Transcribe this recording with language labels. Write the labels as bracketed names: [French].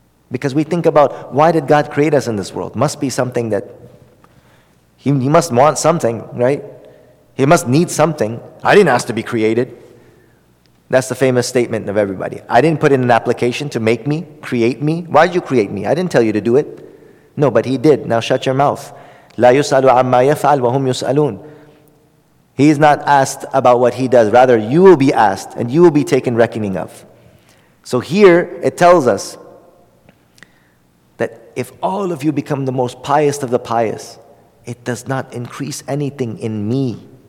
[English] Because we think about, why did God create us in this world? Must be something that, He must want something, right? He must need something. I didn't ask to be created. That's the famous statement of everybody. I didn't put in an application to make me, create me. Why did you create me? I didn't tell you to do it. No, but He did. Now shut your mouth. [Arabic] لا يسأل عما يفعل وهم يسألون. [English] He is not asked about what he does. Rather, you will be asked and you will be taken reckoning of. So here it tells us that if all of you become the most pious of the pious, it does not increase anything in me.